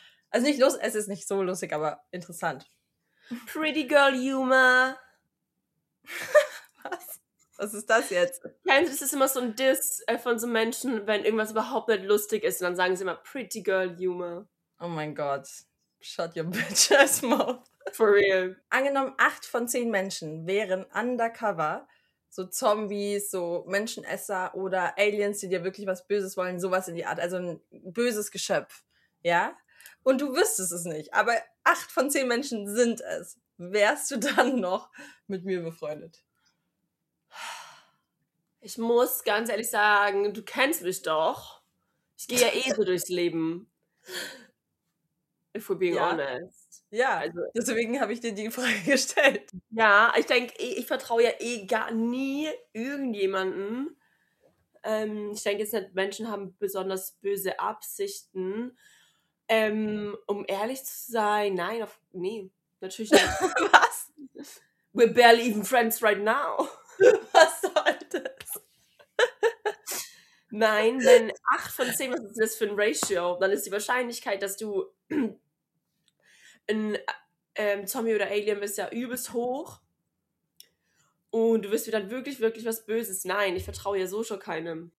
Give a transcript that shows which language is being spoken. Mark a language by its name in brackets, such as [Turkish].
[German] Also nicht lustig, es ist nicht so lustig, aber interessant. [English] Pretty Girl Humor. [German] Was ist das jetzt? Kennst du, das ist immer so ein Diss von so Menschen, wenn irgendwas überhaupt nicht lustig ist. Und dann sagen sie immer, [English] pretty girl humor. [German] Oh mein Gott. [English] Shut your bitch-ass mouth. For real. [German] Angenommen, 8 von 10 Menschen wären undercover. So Zombies, so Menschenesser oder Aliens, die dir wirklich was Böses wollen. Sowas in die Art. Also ein böses Geschöpf. Ja? Und du wüsstest es nicht. Aber 8 von 10 Menschen sind es. Wärst du dann noch mit mir befreundet? Ich muss ganz ehrlich sagen, du kennst mich doch. Ich gehe ja eh so durchs Leben. [English] If we're being honest. [German] Ja, also, deswegen habe ich dir die Frage gestellt. Ja, ich denke, ich vertraue ja eh gar nie irgendjemandem. Ich denke jetzt nicht, Menschen haben besonders böse Absichten. Um ehrlich zu sein, nee, natürlich nicht. Was? [English] We're barely even friends right now. [German] Was soll das? Nein, wenn 8 von 10, was ist das für ein Ratio? Dann ist die Wahrscheinlichkeit, dass du ein Zombie oder Alien bist, ja übelst hoch. Und du wirst mir dann wirklich, wirklich was Böses. Nein, ich vertraue ja so schon keinem.